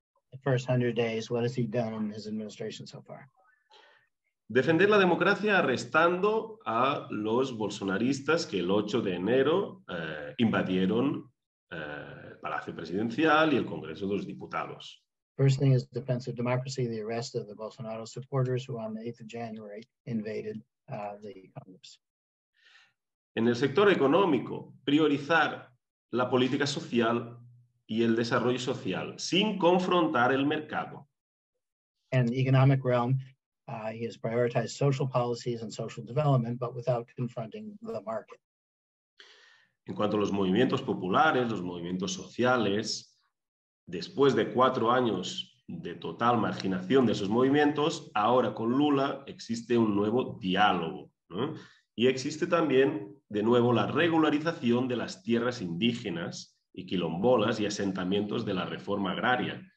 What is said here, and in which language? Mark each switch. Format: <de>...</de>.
<en>The first 100 days, what has he done in his administration so far?</en> <es>Defender la democracia arrestando a los bolsonaristas que el 8 de enero invadieron el Palacio Presidencial y el Congreso de los Diputados.</es> <en>First thing is defense of democracy, the arrest of the Bolsonaro supporters who on the 8th of January invaded the Congress.</en> <es>En el sector económico, priorizar la política social y el desarrollo social sin confrontar el mercado.</es> <en>In the economic realm, he has prioritized social policies and social development, but without confronting the market.</en> <es>En cuanto a los movimientos populares, los movimientos sociales, después de 4 años de total marginación de esos movimientos, ahora con Lula existe un nuevo diálogo, ¿no? Y existe también, de nuevo, la regularización de las tierras indígenas y quilombolas y asentamientos de la reforma agraria.</es>